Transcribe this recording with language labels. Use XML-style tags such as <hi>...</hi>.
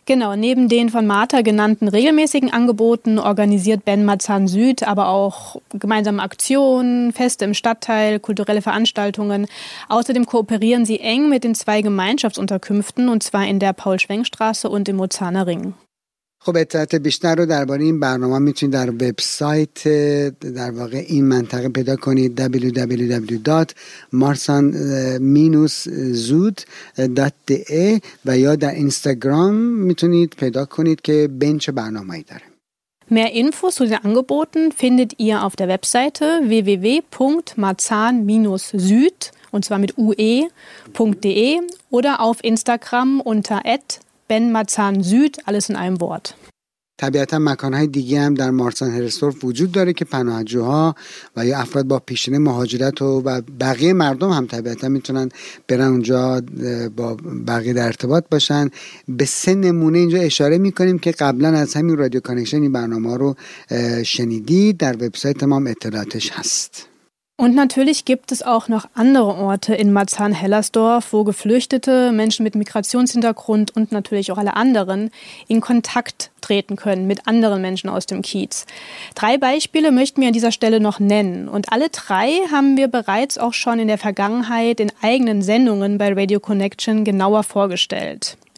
<de>Genau, neben den von Martha genannten regelmäßigen Angeboten organisiert Ben Mazan Süd aber auch gemeinsame Aktionen, Feste im Stadtteil, kulturelle Veranstaltungen. Außerdem kooperieren sie eng mit den zwei Gemeinschaftsunterkünften und zwar in der Paul-Schwenk-Straße und im Mozaner Ring.</de> <fa>خب اطلاعات بیشتر رو درباره این برنامه میتونید در وبسایت در واقع این منطقه پیدا کنید www.marsan-zood.ae و یا در اینستاگرام میتونید پیدا کنید که بنچ برنامه‌ای داره.</fa> <de>Mehr Infos zu den Angeboten findet ihr auf der Webseite www.marsan-zood und zwar mit ue.de oder auf Instagram unter @benmarsan-zood alles in einem Wort.</de> <fa>طبیعتاً مکان‌های دیگه هم در مارسان هرستورف وجود داره که پناهجوها و یا افراد با پیشینه مهاجرت و بقیه مردم هم طبیعتاً میتونن برن اونجا با بقیه در ارتباط باشن. به سه نمونه اینجا اشاره می‌کنیم که قبلاً از همین رادیو کانکشن این برنامه رو شنیدید، در وبسایت ما هم اطلاعاتش هست.</fa> <de>Und natürlich gibt es auch noch andere Orte in Marzahn-Hellersdorf, wo Geflüchtete, Menschen mit Migrationshintergrund und natürlich auch alle anderen in Kontakt treten können mit anderen Menschen aus dem Kiez. Drei Beispiele möchten wir an dieser Stelle noch nennen. Und alle drei haben wir bereits auch schon in der Vergangenheit in eigenen Sendungen bei Radio Connection genauer vorgestellt.</de>